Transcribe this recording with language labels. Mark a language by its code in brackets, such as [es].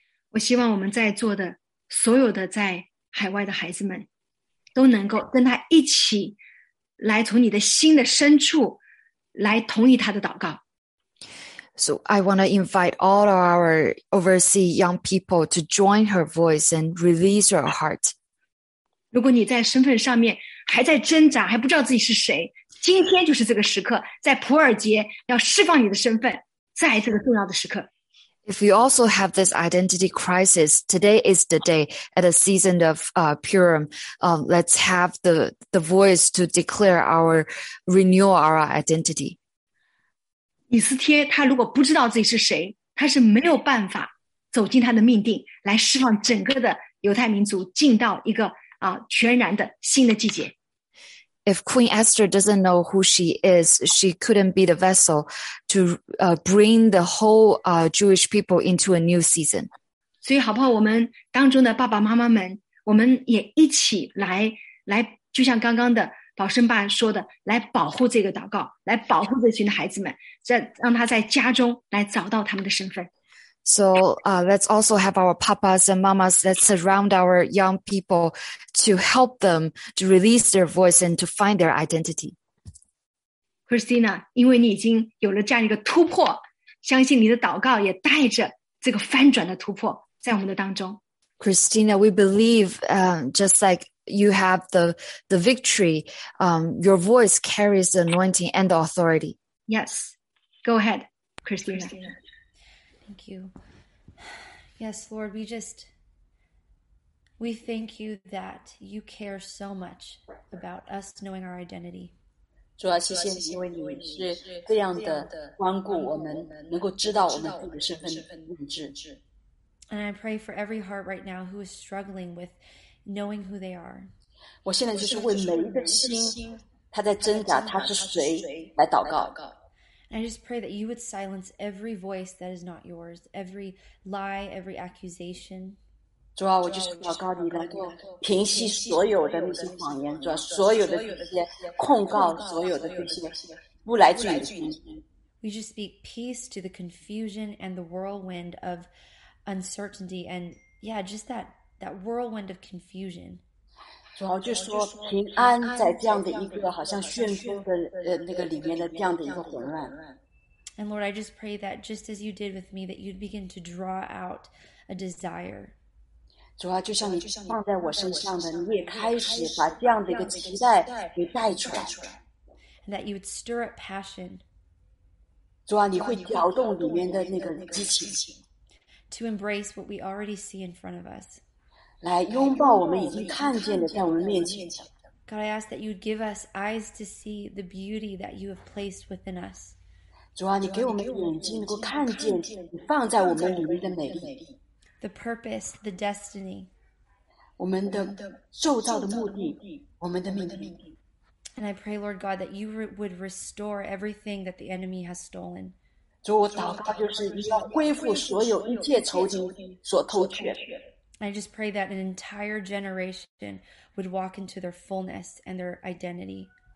[zh] 我希望我们在座的所有的在海外的孩子们都能够跟他一起。来从你的心的深处来同意他的祷告。 [en] So I want to invite all our overseas young people to join her voice and release her heart. [zh] 如果你在身份上面还在挣扎，还不知道自己是谁，今天就是这个时刻，在普尔节要释放你的身份，再一次的重要的时刻。 [en] If you also have this identity crisis, today is the day at a season of Purim. Let's have the voice to declare our renewal, our identity. [zh] 以斯帖他如果不知道自己是谁，他是没有办法走进他的命定，来释放整个的犹太民族进到一个全然的新的季节。 [en] If Queen Esther doesn't know who she is, she couldn't be the vessel to bring the whole Jewish people into a new season. [zh] 所以好不好我们当中的爸爸妈妈们我们也一起来就像刚刚的宝生爸说的来保护这个祷告来保护这群的孩子们让他在家中来找到他们的身份。 [en] So let's also have our papas and mamas that surround our young people to help them to release their voice and to find their identity. [zh] Christina, 因为你已经有了这样一个突破，相信你的祷告也带着这个翻转的突破在我们的当中。 [en] Christina, we believe just like you have the victory, your voice carries the anointing and the authority. Yes, go ahead, Christina. Thank you. Yes, Lord, we thank you that you care so much about us knowing our identity. [zh] 主啊，谢谢你，因为你是这样的关顾我们，能够知道我们自己的身份认知。 [en] And I pray for every heart right now who is struggling with knowing who they are. [zh] 我现在就是为每一个心，他在挣扎他是谁来祷告。 [en] I just pray that you would silence every voice that is not yours, every lie, every accusation. [zh] 主啊，我就是祷告你能够平息所有的那些谎言，主啊，所有的这些控告，所有的这些不来自于你。 [en] We just speak peace to the confusion and the whirlwind of uncertainty, and yeah, just that whirlwind of confusion. [zh] 主要就是说平安在这样的一个好像旋风的那个里面的这样的一个混乱。 [en] And Lord, I just pray that just as you did with me, that you'd begin to draw out a desire. [zh] 主要就像你放在我身上的，你也开始把这样的一个期待给带出来。 [en] And that you would stir up passion. [zh] 主要你会调动里面的那个激情。 [en] To embrace what we already see in front of us. [zh] 来拥抱我们已经看见的在我们面前的。 [en] God, I ask that you give us eyes to see the beauty that you have placed within us. [zh] 主啊，你给我们眼睛能够看见你放在我们里面的美丽。 [en] The purpose, the destiny. [zh] 我们的受造的目的，我们的命定。 [en] And I pray, Lord God, that you would restore everything that the enemy has stolen. [zh] 主，我祷告就是你要恢复所有一切仇敌所偷取的。 [en] I just pray that an entire generation would walk into their fullness and their identity.